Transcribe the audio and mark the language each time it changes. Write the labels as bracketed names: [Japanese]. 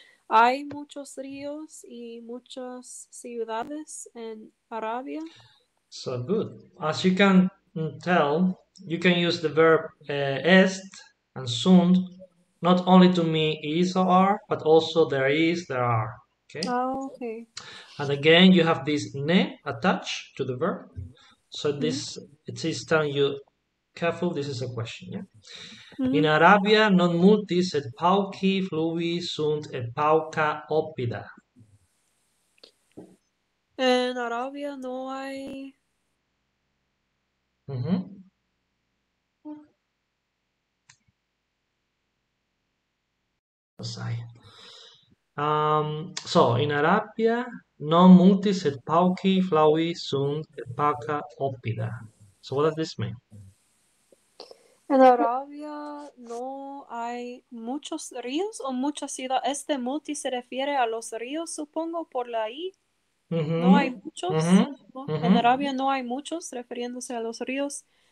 [Spanish] Hay muchos ríos y muchas ciudades en Arabia. [English] So good. As you can tell, you can use the verb est and sunt not only to mean is or are, but also there is, there are. Okay? Oh, okay. And again, you have this ne attached to the verb. So this it is telling you, careful, this is a question, yeah? [Latin] In Arabia, non multi, sed pauci fluvi sunt et pauca oppida. [Spanish] En Arabia no hay [English] So in Arabia, [Latin] non multi sed pauci flavi sunt et pauca oppida. [English] So what does this mean? [Spanish] En Arabia no hay muchos ríos o muchas ciudades. Este multi se refiere a los ríos, supongo, por la I. No hay muchos, ¿no? En Arabia no hay muchos refiriéndose a los ríos.